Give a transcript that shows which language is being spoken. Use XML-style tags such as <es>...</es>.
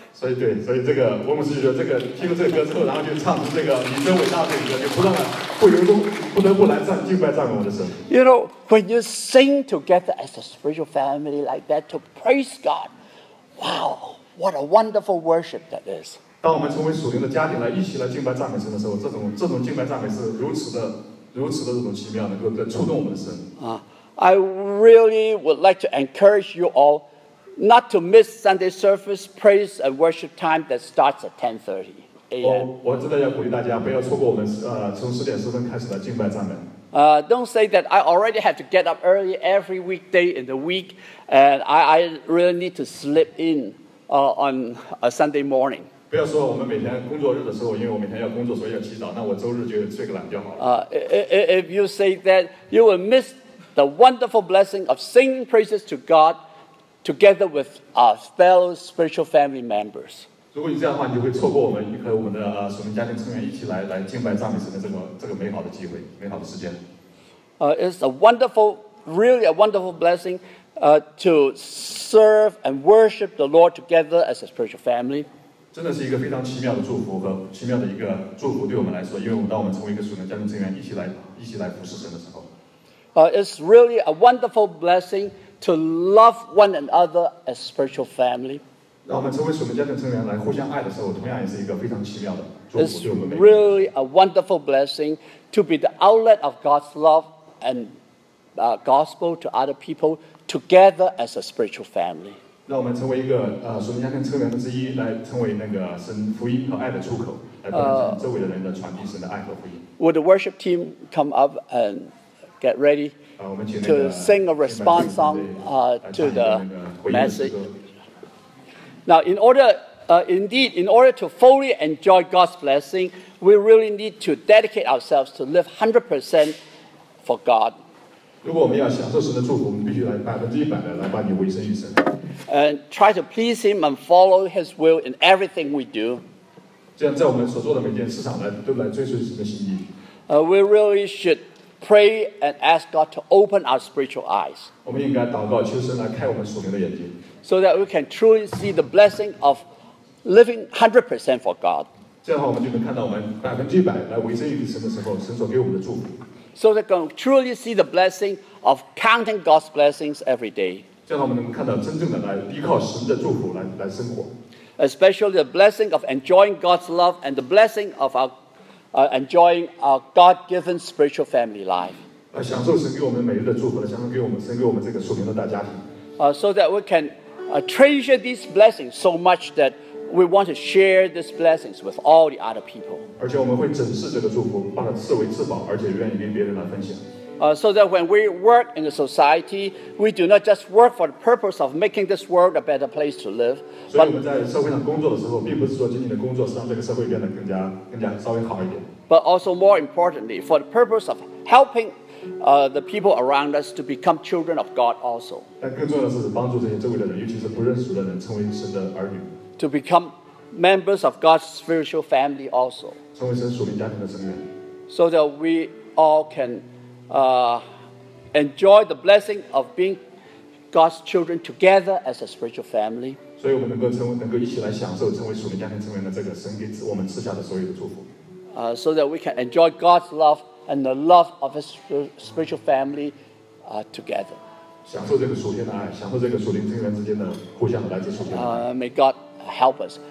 <zh>所以对，所以这个我们是觉得这个听了这个歌之后，然后就唱这个你真伟大这个歌，就不断的不由衷不得不来赞敬拜赞美我的神。</zh> <en>You know, when you sing together as a spiritual family like that to praise God, wow, what a wonderful worship that is.</en> <zh>当我们成为属灵的家庭来一起来敬拜赞美神的时候，这种敬拜赞美是如此的这种奇妙，能够更触动我们的神。</zh> <en>I really would like to encourage you all not to miss Sunday service praise and worship time that starts at 10:30 a.m.</en> <zh>我真的要鼓励大家不要错过我们从十点十分开始的敬拜赞美。</zh> <en>Don't say that I already have to get up early every weekday in the week, and I really need to slip in on a Sunday morning.</en> <zh>不要说我们每天工作日的时候，因为我每天要工作，所以要起早。那我周日就睡个懒觉好了。</zh> <en>If you say that, you will miss the wonderful blessing of singing praises to God together with our fellow spiritual family members.</en> <zh>如果你这样的话，你会错过我们和我们的属灵家庭成员一起来敬拜赞美神的这个美好的机会，美好的时间。</zh> <en>It's a wonderful, really a wonderful blessing, to serve and worship the Lord together as a spiritual family.</en> <zh>真的是一个非常奇妙的祝福和奇妙的一个祝福对我们来说，因为当我们成为一个属灵家庭成员一起来服侍神的时候、</zh> <en>It's really a wonderful blessing to love one another as spiritual family.</en> <zh>让我们成为属灵家庭成员来互相爱的时候，同样也是一个非常奇妙的祝福对我们。</zh> <en>It's really a wonderful blessing to be the outlet of God's love and gospel to other people together as a spiritual family.</en> <zh>让我们成为一个属灵家庭成员之一，来成为那个神福音和爱的出口，来周围的人的传递神的爱和福音。</zh> <en>Would the worship team come up and get ready to sing a response song to the message? Now, indeed, in order to fully enjoy God's blessing, we really need to dedicate ourselves to live 100% for God.</en> <zh>如果我们要享受神的祝福，我们必须来100%的来把你委身于神。</zh> <en>And try to please Him and follow His will in everything we do.</en> <zh>这样，在我们所做的每件事上都来追随神的心意。</zh> <en>We really should pray and ask God to open our spiritual eyes.</en> <zh>我们应该祷告，求神来开我们属灵的眼睛。</zh> <en>So that we can truly see the blessing of living 100% for God.</en> <zh>这样的话，我们就能看到我们100%来委身于神的时候，神所给我们的祝福。</zh> <en>So that we can truly see the blessing of counting God's blessings every day.</en> <zh>这样我们能看到真正的来依靠神的祝福来生活。</zh> <en>Especially the blessing of enjoying God's love and the blessing of enjoying our God-given spiritual family life.</en> <zh>享受神给我们每日的祝福，享受神给我们这个属灵的大家庭。</zh> <en>So that we can treasure these blessings so much that. We want to share these blessings with all the other people.</en> <zh>而且我们会珍视这个祝福，把它视为至宝，而且愿意跟别人来分享。</zh> <en>So that when we work in the society, we do not just work for the purpose of making this world a better place to live.</en> <zh>所以我们在社会上工作的时候，并不是说仅仅的工作是让这个社会变得更加稍微好一点。</zh> <en>But also more importantly, for the purpose of helping the people around us to become children of God also.</en> <zh>但更重要的是帮助这些周围的人，尤其是不认识的人，成为神的儿女。</zh> <en>To become members of God's spiritual family also. So that we all can enjoy the blessing of being God's children together as a spiritual family. So that we can enjoy God's love and the love of His spiritual family together. May God. Help us.</en>